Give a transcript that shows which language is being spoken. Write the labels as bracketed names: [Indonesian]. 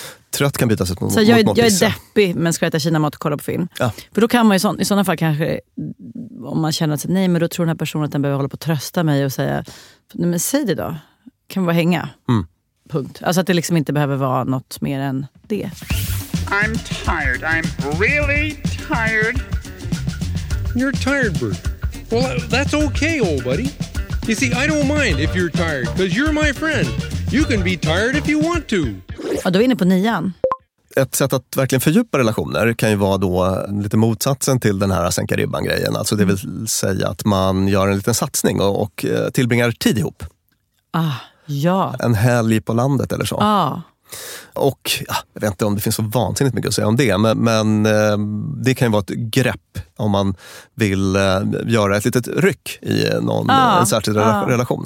[Swedish] Trött kan bytas ut mot så jag är deppig men ska äta kinamat och kolla på film. Ja. För då kan man i sådana fall kanske om man känner att nej men då tror den här personen att den behöver hålla på att trösta mig och säga nej men säg det då, kan vi bara hänga? Punkt. Alltså att det liksom inte behöver vara något mer än det. [English] I'm tired. I'm really tired. You're tired, Bert. Well, that's okay, old buddy. You see, I don't mind if you're tired, because you're my friend. You can be tired if you want to. [Swedish] Ja, då är inne på nian. Ett sätt att verkligen fördjupa relationer kan ju vara då lite motsatsen till den här sänka ribban-grejen. Alltså det vill säga att man gör en liten satsning och tillbringar tid ihop. Ah, ja. En helg på landet eller så. Ja. Ah. Och ja, jag vet inte om det finns så vansinnigt mycket att säga om det, men det kan ju vara ett grepp om man vill göra ett litet ryck i någon särskild relation.